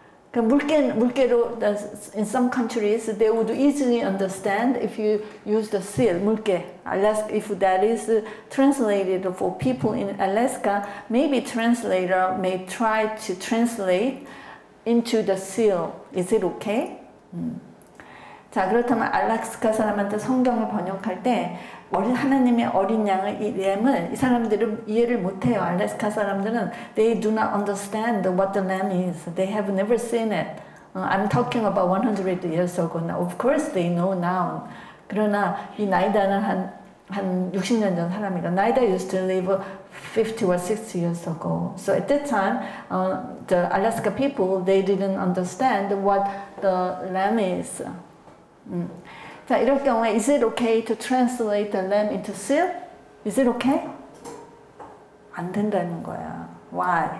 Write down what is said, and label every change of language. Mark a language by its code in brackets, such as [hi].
[en] 물개로, in some countries, they would easily understand if you use the seal, 물개. Alaska, if that is translated for people in Alaska, maybe translator may try to translate into the seal. Is it okay? [ko] 자 그렇다면 알래스카 사람한테 성경을 번역할 때 하나님의 어린 양을 이 램을 이 사람들은 이해를 못해요. 알래스카 사람들은 [en] they do not understand what the lamb is. They have never seen it. I'm talking about 100 years ago now. Of course they know now. [ko] 그러나 이 나이다는 한 60년 전 사람이다. [en] Naida used to live 50 or 60 years ago. So at that time, the Alaska people, they didn't understand what the lamb is. [ko] 자, 이럴 경우에, [en] is it okay to translate the lamb into seal? Is it okay? [ko] 안 된다는 거야. [en] Why?